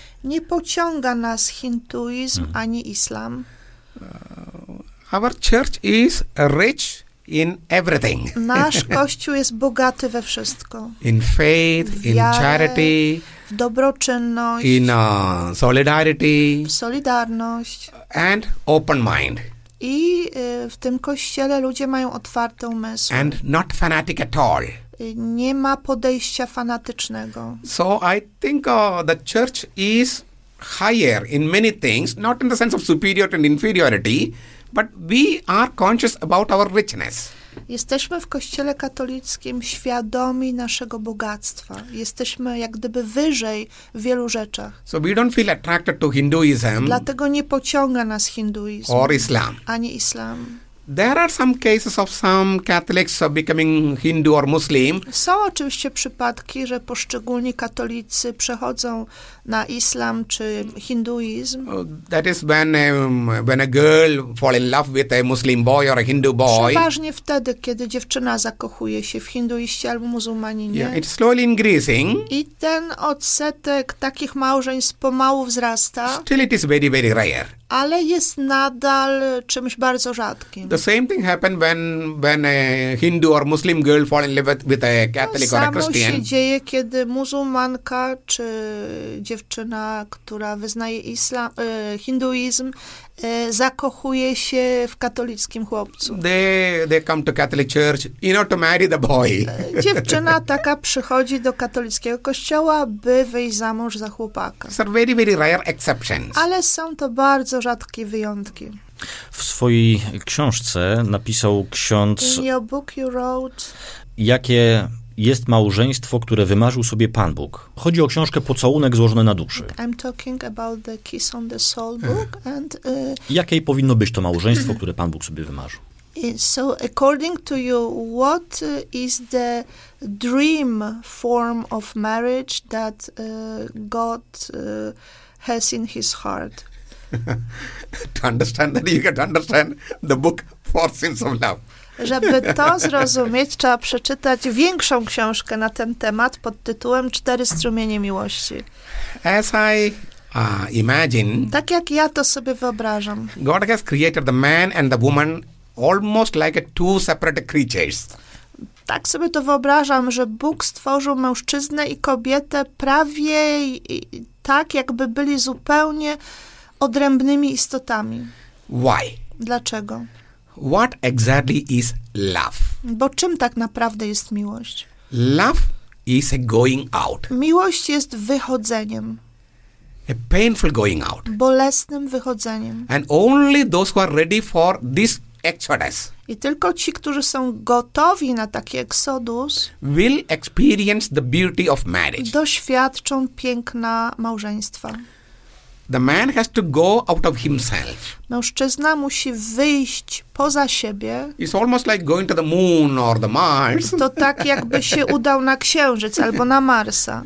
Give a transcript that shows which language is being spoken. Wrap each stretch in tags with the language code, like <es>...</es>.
<pl>Nie pociąga nas hinduizm ani islam.</pl> <en>Our church is rich in everything.</en> <pl>Nasz kościół jest bogaty we wszystko.</pl> <en>In faith,</en> <pl>w wiarę,</pl> <en>in charity,</en> <pl>w dobroczynność,</pl> <en>in solidarity,</en> <pl>w solidarność,</pl> <en>and open mind.</en> <pl>I w tym kościele ludzie mają otwarty umysł.</pl> <en>And not fanatic at all.</en> <pl>Nie ma podejścia fanatycznego.</pl> <en>So I think the church is higher in many things, not in the sense of superiority and inferiority. But we are conscious about our richness.</en> <pl>Jesteśmy w Kościele katolickim świadomi naszego bogactwa. Jesteśmy jak gdyby wyżej w wielu rzeczach.</pl> <en>So we don't feel attracted to Hinduism.</en> <pl>Dlatego nie pociąga nas hinduizm.</pl> <en>Or Islam.</en> <pl>Ani Islam.</pl> <en>There are some cases of some Catholics becoming Hindu or Muslim.</en> <pl>Są oczywiście przypadki, że poszczególni katolicy przechodzą na islam czy hinduizm.</pl> <en>That is when a girl falls in love with a Muslim boy or a Hindu boy.</en> <pl>Przeważnie wtedy, kiedy dziewczyna zakochuje się w hinduiście albo muzułmaninie.</pl> <en>Yeah, it's slowly increasing.</en> <pl>I ten odsetek takich małżeństw pomału wzrasta.</pl> <en>Still it is very, very rare.</en> <pl>Ale jest nadal czymś bardzo rzadkim.</pl> <en>The same thing happened when a Hindu or Muslim girl fall in love with a Catholic or a Christian.</en> <pl>Samo się dzieje, kiedy muzułmanka czy dziewczyna, która wyznaje islam, hinduizm, zakochuje się w katolickim chłopcu.</pl> <en>They come to Catholic church in order to marry the boy.</en> <pl>Dziewczyna taka przychodzi do katolickiego kościoła, by wyjść za mąż za chłopaka.</pl> <en>These are very, very rare exceptions.</en> <pl>Ale są to bardzo rzadkie wyjątki. W swojej książce napisał ksiądz,</pl> <en>in your book you wrote,</en> <pl>jakie jest małżeństwo, które wymarzył sobie Pan Bóg. Chodzi o książkę Pocałunek złożony na duszy.</pl> <en>I'm talking about the Kiss on the Soul book and</en> <pl>jakie powinno być to małżeństwo, które Pan Bóg sobie wymarzył?</pl> <en>So according to you, what is the dream form of marriage that God has in his heart? To understand that you can understand the book Four Sins of Love.</en> <pl>Żeby to zrozumieć, trzeba przeczytać większą książkę na ten temat pod tytułem Cztery strumienie miłości.</pl> <en>As I imagine,</en> <pl>tak jak ja to sobie wyobrażam.</pl> <en>God has created the man and the woman almost like two separate creatures.</en> <pl>Tak sobie to wyobrażam, że Bóg stworzył mężczyznę i kobietę prawie tak, jakby byli zupełnie odrębnymi istotami.</pl> <en>Why?</en> <pl>Dlaczego?</pl> <en>What exactly is love?</en> <pl>Bo czym tak naprawdę jest miłość?</pl> <en>Love is a going out.</en> <pl>Miłość jest wychodzeniem.</pl> <en>A painful going out.</en> <pl>Bolesnym wychodzeniem.</pl> <en>And only those who are ready for this exodus.</en> <pl>I tylko ci, którzy są gotowi na taki exodus,</pl> <en>will experience the beauty of marriage.</en> <pl>Doświadczą piękna małżeństwa.</pl> <en>The man has to go out of himself.</en> <pl>Mężczyzna musi wyjść poza siebie.</pl> <en>It's almost like going to the moon or the Mars.</en> <pl>To tak jakby się udał na Księżyc albo na Marsa.</pl>